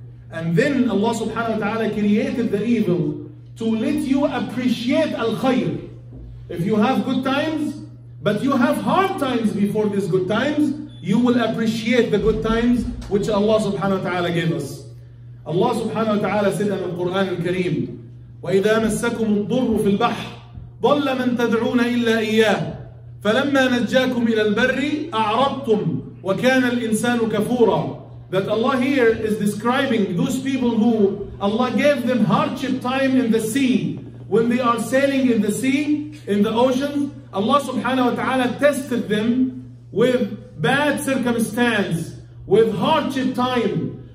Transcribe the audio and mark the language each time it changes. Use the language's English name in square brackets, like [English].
[English] And then Allah subhanahu wa ta'ala created the evil to let you appreciate al-khayr. If you have good times, but you have hard times before these good times, you will appreciate the good times which Allah subhanahu wa ta'ala gave us. Allah subhanahu wa ta'ala said in the Quran al-Kareem, [Arabic] وَإِذَا مَسَّكُمُ الضُّرُّ فِي الْبَحْرِ ضَلَّ مَن تَدْعُونَ إِلَّا إِيَّاهُ فَلَمَّا نَجَّاكُمْ إِلَى الْبَرِّ أَعْرَضْتُمْ وَكَانَ الْإِنسَانُ كَفُورًا. [English] That Allah here is describing those people who Allah gave them hardship time in the sea. When they are sailing in the sea, in the ocean, Allah subhanahu wa ta'ala tested them with bad circumstance, with hardship time.